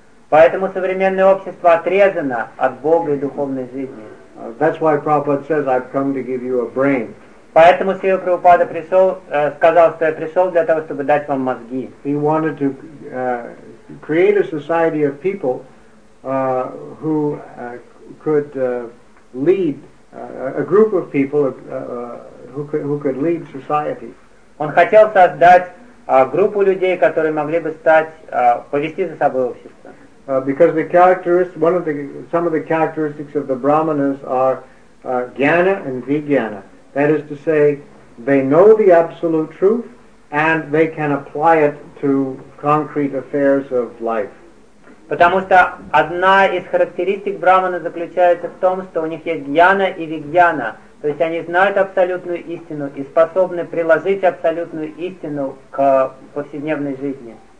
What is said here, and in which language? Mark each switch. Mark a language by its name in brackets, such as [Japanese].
[Russian] Поэтому современное общество отрезано от Бога и духовной жизни. [English] That's why Prabhupada says, I've come to give you a brain. [Russian] Поэтому Сила Прабхупада пришел, сказал, что я пришел для того, чтобы дать вам мозги. [English] He wanted to create a society of people who could lead a group of people who could lead society. [Russian] Он хотел создать группу людей, которые могли бы стать повести за собой общество. [English] Because the characteristics, some of the characteristics of the brahmanas are jnana and vijnana. That is to say, they know the absolute truth and they can apply it to concrete affairs of life. [Russian] Потому что одна из характеристик брахмана заключается в том, что у них есть джняна и вигьяна, то есть они знают абсолютную истину и способны приложить абсолютную истину к повседневной жизни.